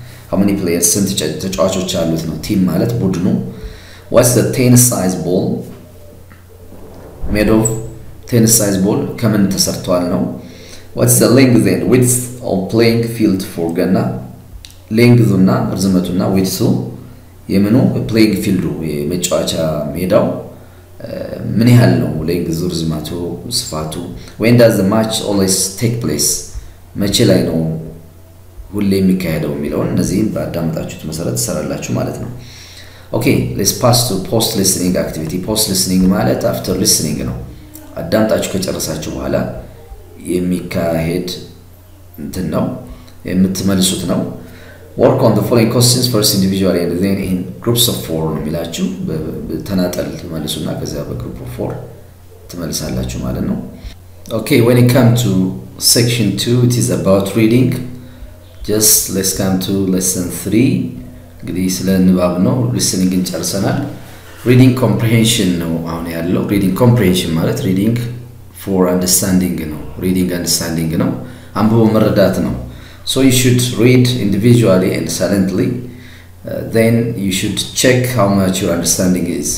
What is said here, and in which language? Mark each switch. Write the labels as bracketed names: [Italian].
[English] How many players [Amharic] ስንት ተጫዋቾች አሉት ነው ቲም ማለት ቡድኑ. [English] What's the tennis size ball made of? [Amharic] Tennis size ball ከምን ተሰርቷል ነው. [English] What's the length and width of playing field for Ghana? [Amharic] Length እና ርዝመቱ እና width የምኑ playing field የመጫወቻ ሜዳው ምን ያህል ነው length ርዝመቱ ስፋቱ. [English] When does the match always take place? [Amharic] መቼ ላይ ነው ሁሌ የሚካሄደው የሚለውን እነዚህን በአዳምጣችሁት መሰረት ሰራላችሁ ማለት ነው. [English] Okay, let's pass to post listening activity. Post listening ማለት after listening ነው. [Amharic] አዳምጣችሁ ከጨረሳችሁ በኋላ የሚካሄድ እንትን ነው የምትመልሱት ነው. [English] Work on the following questions first individually and then in groups of 4 [Amharic] ማለትችሁ በተናጠል ትመልሱና ከዛ በግሩፕ of 4 ትመልሳላችሁ ማለት ነው. [English] Okay, when it comes to section 2, it is about reading. Just let's come to lesson 3. [Amharic] እንግዲህ ለንባብ ነው ሊስኒንግን ጨርሰናል. ሪዲንግ ኮምፕሬንሽን ነው አሁን ያለው. ሪዲንግ ኮምፕሬንሽን ማለት ሪዲንግ ፎር አንደርስታንዲንግ ነው. ሪዲንግ አንደርስታንዲንግ ነው አንብቦ መረዳት ነው. [English] ሶ ዩ ሹድ ሪድ ኢንዲቪጁዋሊ ኤንድ ሳይለንትሊ ዘን ዩ ሹድ ቼክ ሃው ማች ዩር አንደርስታንዲንግ ኢዝ.